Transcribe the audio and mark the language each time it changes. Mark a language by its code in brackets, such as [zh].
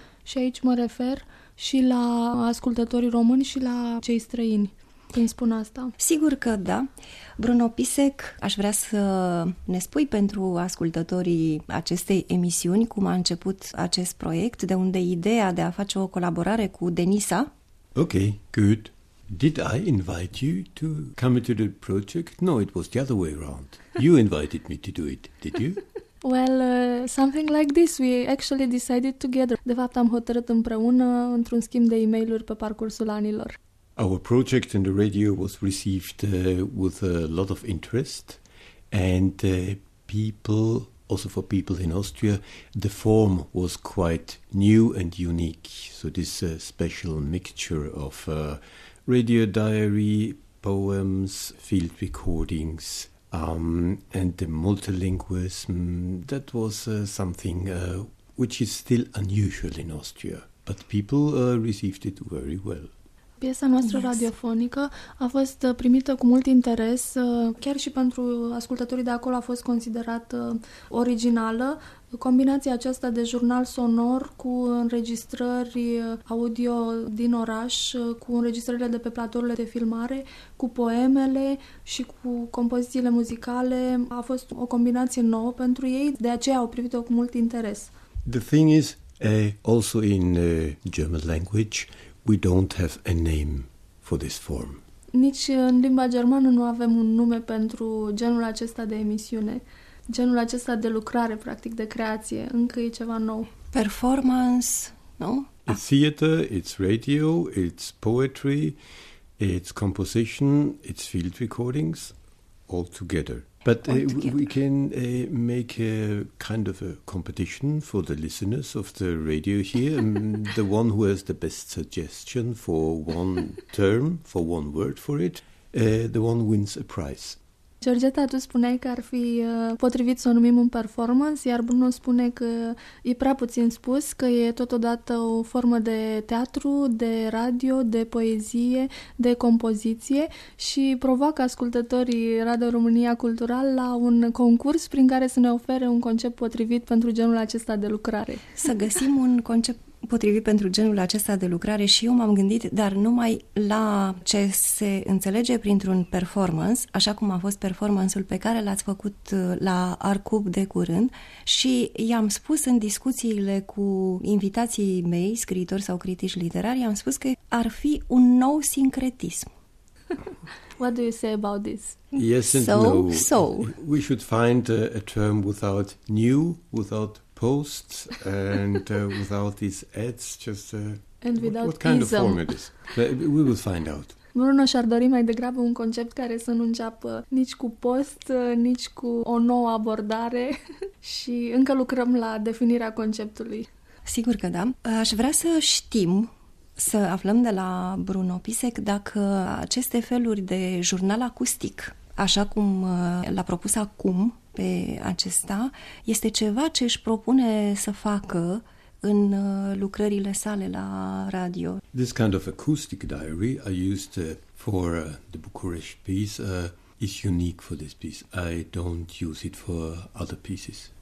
[ro] Și aici mă refer și la ascultătorii români și la cei străini, când spun asta. Sigur că da. Bruno Pisek, aș vrea să ne spui pentru ascultătorii acestei emisiuni cum a început acest proiect, de unde ideea de a face o colaborare cu Denisa. [en] Ok, good. Did I invite you to come into the project? No, it was the other way around. You invited me to do it, did you? Well, something like this. We actually decided together. [ro] De fapt, am hotărât împreună într-un schimb de e-mail-uri pe parcursul anilor. [en] Our project in the radio was received with a lot of interest and people, also for people in Austria, the form was quite new and unique. So this special mixture of radio diary, poems, field recordings, and the multilingualism, that was something which is still unusual in Austria, but people received it very well. [ro] Piesa noastră, yes, radiofonică a fost primită cu mult interes, chiar și pentru ascultătorii de acolo a fost considerată originală. Combinația aceasta de jurnal sonor cu înregistrări audio din oraș, cu înregistrările de pe platourile de filmare, cu poemele și cu compozițiile muzicale a fost o combinație nouă pentru ei, de aceea au privit-o cu mult interes. [en] The thing is, also in German language, we don't have a name for this form. [ro] Nici în limba germană nu avem un nume pentru genul acesta de emisiune, genul acesta de lucrare, practic, de creație. Încă e ceva nou. Performance, nu? [en] It's theater, it's radio, it's poetry, it's composition, it's field recordings, all together. But we can make a kind of a competition for the listeners of the radio here. The one who has the best suggestion for one term, for one word for it, the one wins a prize. [ro] Georgeta, tu spuneai că ar fi potrivit să o numim un performance, iar Bruno spune că e prea puțin spus, că e totodată o formă de teatru, de radio, de poezie, de compoziție și provoacă ascultătorii Radio România Cultural la un concurs prin care să ne ofere un concept potrivit pentru genul acesta de lucrare. Să găsim un concept potrivit pentru genul acesta de lucrare și eu m-am gândit, dar numai la ce se înțelege printr-un performance, așa cum a fost performance-ul pe care l-ați făcut la Arcub de curând și i-am spus în discuțiile cu invitații mei, scriitori sau critici literari, i-am spus că ar fi un nou sincretism. [en] What do you say about this? Yes and so, no. So, we should find a term without new, without post, and without these ads, just and without what kind ism. Of form it is. But we will find out. [ro] Bruno și-ar dori mai degrabă un concept care să nu înceapă nici cu post, nici cu o nouă abordare și încă lucrăm la definirea conceptului. Sigur că da. Aș vrea să știm, să aflăm de la Bruno Pisek dacă aceste feluri de jurnal acustic, așa cum l-a propus acum pe acesta, este ceva ce își propune să facă în lucrările sale la radio. [en] This kind of acoustic diary I used for the Bucharest piece is unique for this piece. I don't use it for other pieces.